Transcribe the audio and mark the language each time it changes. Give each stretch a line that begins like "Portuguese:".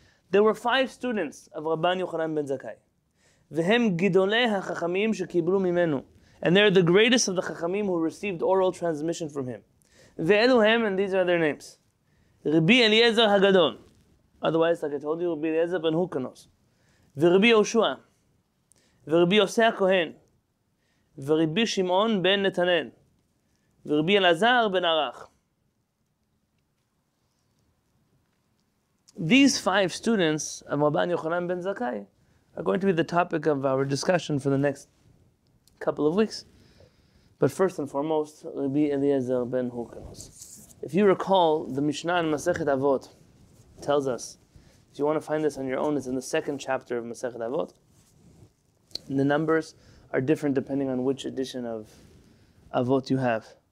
English: There were five students of Rabban Yochanan ben Zakkai.
Hebrew: V'hem gidolei ha-chachamim shekiblu mimenu.
English: And they're the greatest of the chachamim who received oral transmission from him.
Hebrew: Ve'elu hem,
English: and these are their names. Rabbi Eliezer HaGadol. Otherwise, like I told you, Rabbi Eliezer ben Hurkanos. V'Rabbi Yoshua. V'Rabbi Yosef Kohen.
Hebrew: ורבי שמעון בן נתנן, ורבי אלעזר בן ערך.
English: These five students of Rabban Yochanan ben Zakkai are going to be the topic of our discussion for the next couple of weeks. But first and foremost, Rabbi Eliezer ben Hurkanos. If you recall, the Mishnah in Masechet Avot tells us, if you want to find this on your own, it's in the second chapter of Masechet Avot, in the numbers are different depending on which edition of Avot you have.